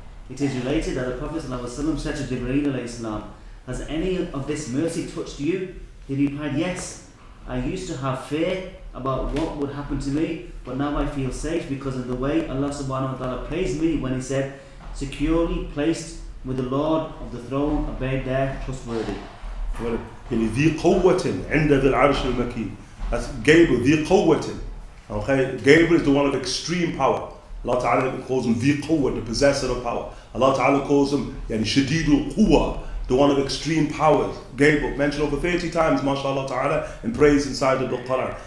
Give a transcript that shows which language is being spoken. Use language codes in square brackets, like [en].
[en] It is related that the Prophet said to Jibreel alayhi salam, has any of this mercy touched you? He replied, yes, I used to have fear about what would happen to me, but now I feel safe because of the way Allah subhanahu wa ta'ala praised me when he said, securely placed with the Lord of the throne, obeyed there, trustworthy. [ar] ذي قوة عند ذي العرش المكين. [en] That's Gabriel, [ar] ذي قوة. [en] Okay, Gabriel is the one of extreme power. Allah Ta'ala calls him [ar] ذي قوة, [en] the possessor of power. Allah Ta'ala calls him [ar] يعني شديد القوة, [en] the one of extreme powers. Gabriel, mentioned over 30 times, mashallah ta'ala, in praise inside of the Quran.